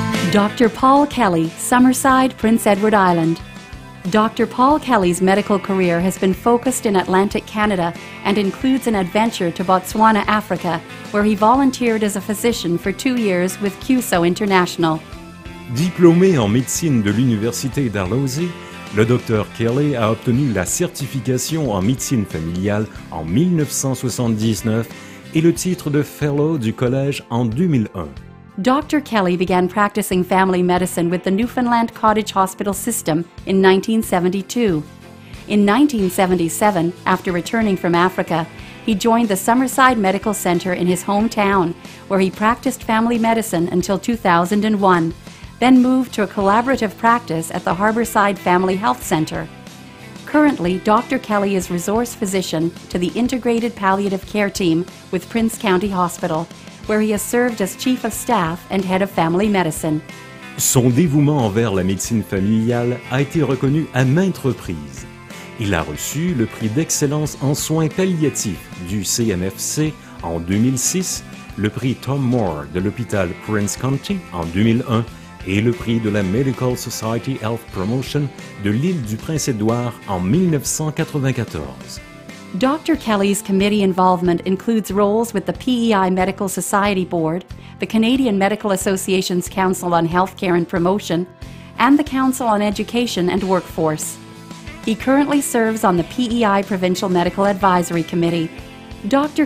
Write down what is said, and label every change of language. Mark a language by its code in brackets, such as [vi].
[en] Dr. Paul Kelly, Summerside, Prince Edward Island. Dr. Paul Kelly's medical career has been focused in Atlantic Canada and includes an adventure to Botswana, Africa, where he volunteered as a physician for 2 years with CUSO International. [fr] Diplômé en médecine de l'Université Dalhousie, le Dr. Kelly a obtenu la certification en médecine familiale en 1979 et le titre de Fellow du Collège en 2001. [en] Dr. Kelly began practicing family medicine with the Newfoundland Cottage Hospital System in 1972. In 1977, after returning from Africa, he joined the Summerside Medical Center in his hometown, where he practiced family medicine until 2001. Then moved to a collaborative practice at the Harborside Family Health Center. Currently, Dr. Kelly is resource physician to the Integrated Palliative Care Team with Prince County Hospital, where he has served as chief of staff and head of family medicine. [fr] Son dévouement envers la médecine familiale a été reconnu à maintes reprises. Il a reçu le prix d'excellence en soins palliatifs du CMFC en 2006, le prix Tom Moore de l'hôpital Prince County en 2001, et le prix de la Medical Society Health Promotion de l'île du Prince-Édouard en 1994. [en] Dr. Kelly's committee involvement includes roles with the PEI Medical Society Board, the Canadian Medical Association's Council on Healthcare and Promotion, and the Council on Education and Workforce. He currently serves on the PEI Provincial Medical Advisory Committee. Dr.